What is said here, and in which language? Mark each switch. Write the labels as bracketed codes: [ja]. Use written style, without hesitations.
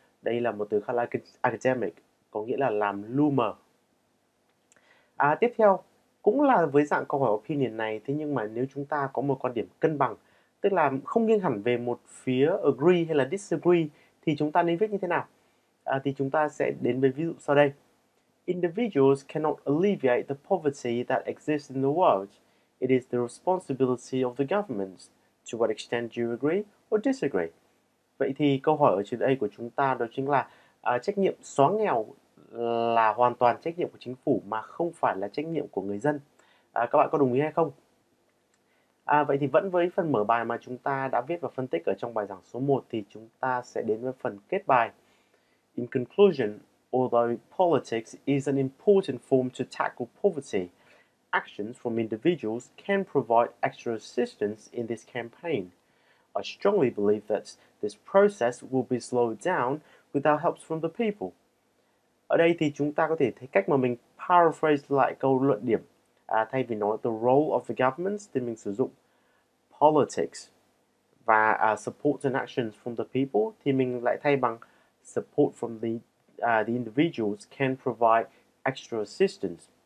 [vi] Đây là một từ khá là academic, có nghĩa là làm lu mờ. Tiếp theo, cũng là với dạng câu hỏi opinion này, thế nhưng mà nếu chúng ta có một quan điểm cân bằng, tức là không nghiêng hẳn về một phía agree hay là disagree, thì chúng ta nên viết như thế nào? Thì chúng ta sẽ đến với ví dụ sau đây. [en] Individuals cannot alleviate the poverty that exists in the world. It is the responsibility of the government. To what extent do you agree or disagree? [vi] Vậy thì câu hỏi ở trên đây của chúng ta đó chính là trách nhiệm xóa nghèo là hoàn toàn trách nhiệm của chính phủ mà không phải là trách nhiệm của người dân. Các bạn có đồng ý hay không? Vậy thì vẫn với phần mở bài mà chúng ta đã viết và phân tích ở trong bài giảng số 1 thì chúng ta sẽ đến với phần kết bài. [en] In conclusion, although politics is an important form to tackle poverty, actions from individuals can provide extra assistance in this campaign. I strongly believe that this process will be slowed down without help from the people. [vi] Ở đây thì chúng ta có thể thấy cách mà mình paraphrase lại câu luận điểm. Thay vì nói [en] the role of the government [vi] thì mình sử dụng politics và [en] support and actions from the people [vi] thì mình lại thay bằng [en] support from the individuals can provide extra assistance.